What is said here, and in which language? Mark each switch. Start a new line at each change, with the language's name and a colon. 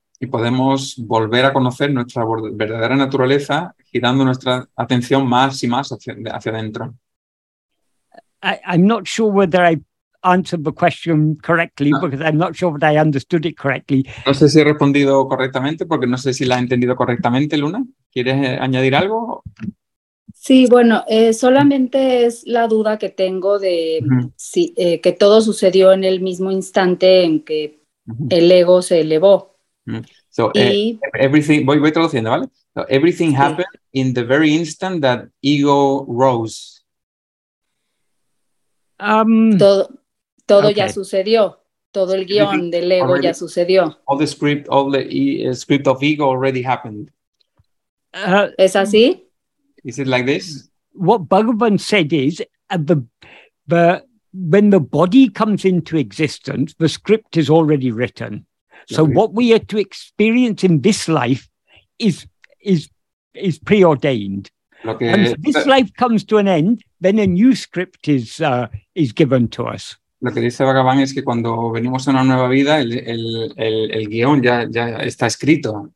Spanish: Y podemos volver a conocer nuestra verdadera naturaleza girando nuestra atención más y más hacia adentro.
English: I'm not sure whether I answered the question correctly because I'm not sure that I understood it correctly.
Spanish: No sé si he respondido correctamente porque no sé si la he entendido correctamente, Luna. ¿Quieres añadir algo? Sí, bueno, solamente es la duda que tengo de si que todo sucedió en el mismo instante en que el ego se elevó.
English: So everything,
Spanish: voy traduciendo, ¿vale?
English: So everything happened in the very instant that ego rose.
Spanish: Todo okay. Ya sucedió. Todo el guión everything del ego already, ya sucedió.
English: All the script, script of ego already happened.
Spanish: ¿Es así?
English: Is it like this? What Bhagavan said is when the body comes into existence, the script is already written. So what we are to experience in this life is preordained. And if this life comes to an end, then a new script is given to us.
Spanish: Lo que dice Bhagavan es que cuando venimos a una nueva vida, el guión ya está escrito.